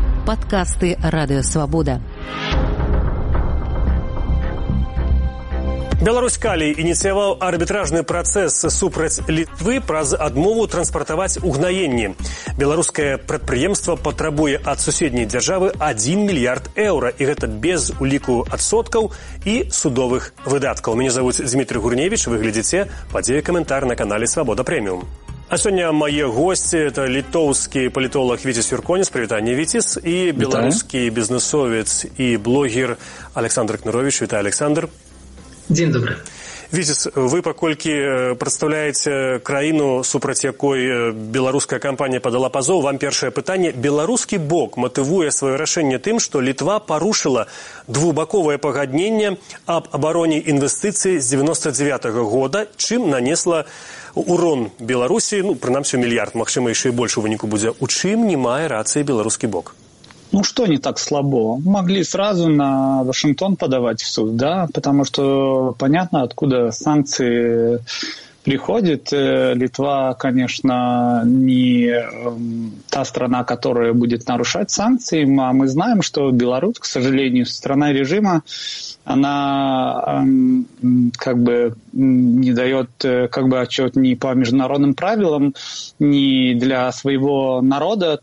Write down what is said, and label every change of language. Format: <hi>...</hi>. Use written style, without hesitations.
<ru>подкасты «Радио Свобода».</ru> <be>Беларусь Калій ініцыяваў арбітражны працэс супраць Літвы праз адмову транспартаваць угнаенні. Беларускае прадпрыемства патрабуе ад суседняй дзяржавы 1 мільярд еўра, і гэта без уліку адсоткаў і судовых выдаткаў. Мене завуць Дмітрый Гурневіч, вы глядзіце падзеі каментар на канале «Свабода прэміум». А сёння мае госці – это літоўскі палітолог Віціс Юрконіс. Прывітанне, Віціс. І беларускі бізнесовец і блогер Александр Кнуровіч. Вітаю, Александр. Дзень добры. Віціс, вы паколькі прадстаўляеце краіну, супраць якой беларуская кампанія падала пазоў, вам першае пытанне. Беларускі бок матывуе сваё рашэнне тым, што Літва парушыла двубаковае пагадненне аб абароне інвестыцый з 99-го года, чым нанесла урон Беларусі, ну, прынамсі, мільярд, магчыма, яшчэ і больш у выніку будзе. У чым не мае рацыі беларускі бок?</be> <ru>Ну, что не так слабо? Могли сразу на Вашингтон подавать в суд, да? Потому что понятно, откуда санкции приходят. Литва, конечно, не та страна, которая будет нарушать санкции. А мы знаем, что Беларусь, к сожалению, страна режима, она как бы не дает как бы отчет ни по международным правилам, ни для своего народа.</ru>